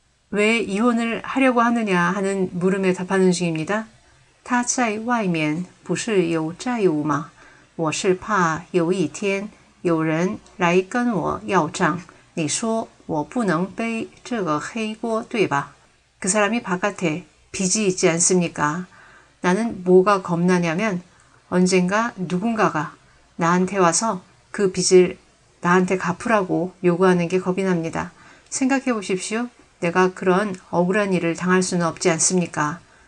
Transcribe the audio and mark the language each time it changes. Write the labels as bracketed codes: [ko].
[ko] 왜 이혼을 하려고 하느냐 하는 물음에 답하는 중입니다. [zh] 他在外面不是有债务吗?我是怕有一天有人来跟我要账。你说我不能背这个黑锅，对吧? [ko] 그 사람이 바깥에 빚이 있지 않습니까? 나는 뭐가 겁나냐면 언젠가 누군가가 나한테 와서 그 빚을 나한테 갚으라고 요구하는 게 겁이 납니다. 생각해 보십시오. 내가 그런 억울한 일을 당할 수는 없지 않습니까?